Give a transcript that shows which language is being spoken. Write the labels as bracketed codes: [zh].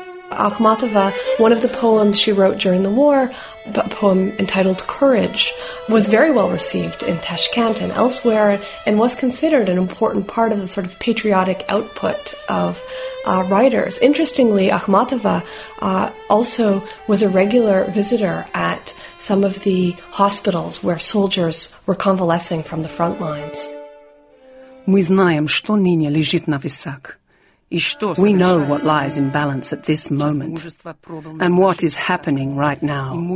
[en] Akhmatova, one of the poems she wrote during the war, a poem entitled Courage, was very well received in Tashkent and elsewhere, and was considered an important part of the sort of patriotic output of writers. Interestingly, Akhmatova also was a regular visitor at some of the hospitals where soldiers were convalescing from the front lines. [ru] Мы знаем, что ныне лежит на весах. [en] We know what lies in balance at this moment and what is happening right now.